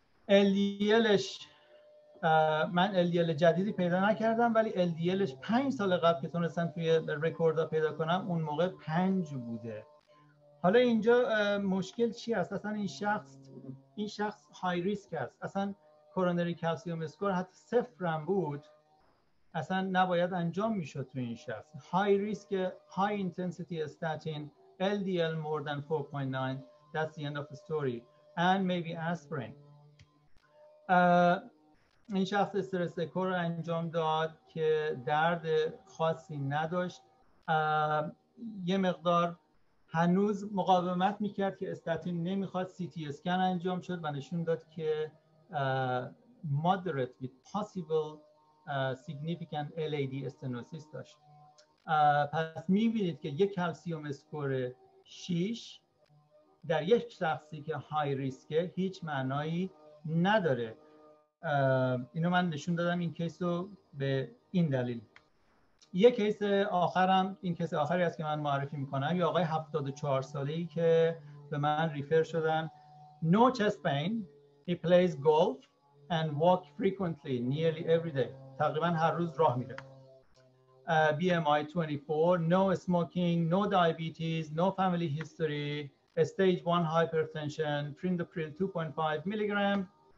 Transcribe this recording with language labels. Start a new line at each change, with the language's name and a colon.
Persian: LDLش، من LDL جدیدی پیدا نکردم، ولی LDLش 5 سال قبل که تونستم توی رکورد ها پیدا کنم اون موقع 5 بوده. حالا اینجا مشکل چی هست؟ اصلا این شخص های ریسک هست. اصلا کورونری کلسیوم اسکور حتی 0 بود اصلا نباید انجام میشد تو این شخص. های ریسک، های اینتنسیتی استاتین، LDL مور دن
English: 4.9، that's the end of the story and maybe aspirin.
Persian: این شخص استرس اسکور رو انجام داد که درد خاصی نداشت. یه مقدار هنوز مقاومت میکرد که استاتین نمیخواد، سی تی اسکن انجام شد و نشون داد که
English: moderate with possible significant LAD
Persian: استنوسیس داشت. پس میبینید که یک کلسیوم اسکور 6 در یک شخصی که های ریسکه هیچ معنایی نداره. اینو من نشون دادم این کیس رو به این دلیل. یه کیس آخرم، این کیس آخری است که من معرفی میکنم، یه آقای 74 ساله‌ای که به من ریفر شدن.
English: No chest pain, he plays golf and walk frequently, nearly every day.
Persian: تقریبا هر روز راه میره.
English: BMI 24, no smoking, no diabetes, no family history, stage 1 hypertension, prednisone 2.5 milligram.